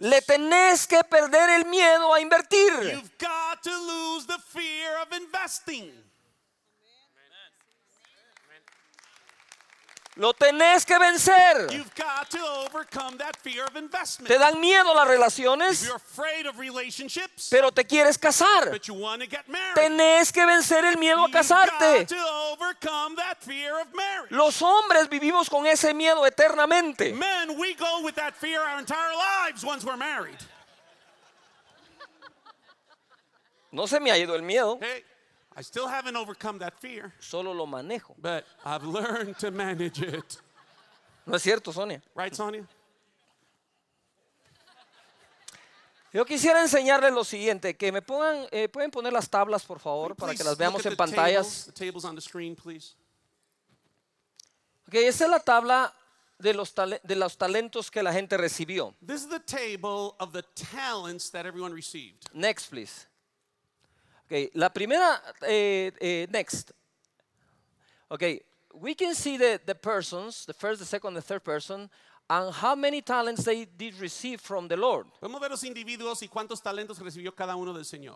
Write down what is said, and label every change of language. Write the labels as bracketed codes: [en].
[es] le tenés que perder el miedo a invertir. [en] You've got to lose the fear of investing. [es] Lo tenés que vencer. [en] You've got to overcome that fear of investment. [es] Te dan miedo las relaciones. [en] You're afraid of relationships. [es] Pero te quieres casar. [en] But you want to get married. [es] Tenés que vencer el miedo [en] You've [es] a casarte. [en] Got to overcome that fear of marriage. [es] Los hombres vivimos con ese miedo eternamente. [en] Men, we go with that fear our entire lives once we're married. [es] No se me ha ido el miedo. [en] Hey. I still haven't overcome that fear. [es] Solo lo manejo. [en] But I've learned to manage it. [es] No es cierto, Sonia. [en] Right, Sonia? [es] Yo quisiera enseñarles lo siguiente, que me pongan, pueden poner las tablas, por favor, para que las veamos en pantallas. [en] The tables on the screen, please. [es] Okay, esta es la tabla de los talentos que la gente recibió. [en] This is the table of the talents that everyone received. Next, please. Okay, [es] la primera, [en] next. Okay, we can see the persons, the first, the second, the third person, and how many talents they did receive from the Lord. [es] Vamos a ver los individuos y cuántos talentos recibió cada uno del Señor.